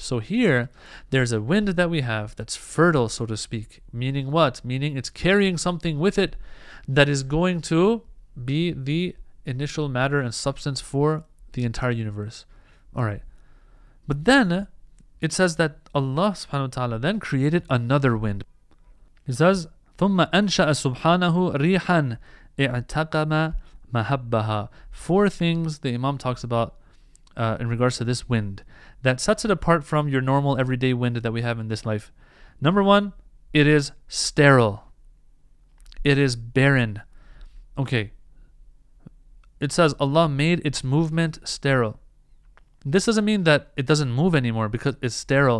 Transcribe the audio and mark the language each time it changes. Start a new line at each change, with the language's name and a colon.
English: So here, there's a wind that we have that's fertile, so to speak. Meaning what? Meaning it's carrying something with it that is going to be the initial matter and substance for the entire universe. Alright. But then, it says that Allah subhanahu wa ta'ala then created another wind. He says,
Arabic: ثُمَّ أَنْشَأَ سُبْحَانَهُ رِيحًا اِعْتَقَمَ مَهَبَّهَا.
English: Four things the Imam talks about in regards to this wind that sets it apart from your normal everyday wind that we have in this life. Number one, it is sterile. It is barren. Okay. It says Allah made its movement sterile. This doesn't mean that it doesn't move anymore because it's sterile.